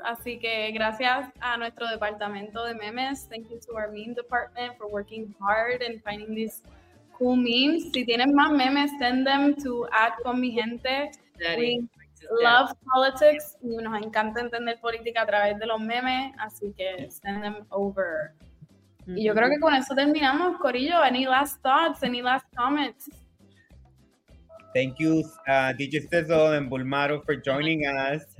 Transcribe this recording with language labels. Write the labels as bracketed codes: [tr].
[es] Así que gracias a nuestro departamento de memes. [en] Thank you to our meme department for working hard and finding these cool memes. [es] Si tienen más memes, [en] send them to [es] @conmigente. [en] We love politics. [es] Y nos encanta entender política a través de los memes. Así que [en] send them over. [es] Y yo creo que con eso terminamos, Corillo. [en] Any last thoughts? Any last comments? Thank you, DJ Sizzle and Bulmaro, for joining us.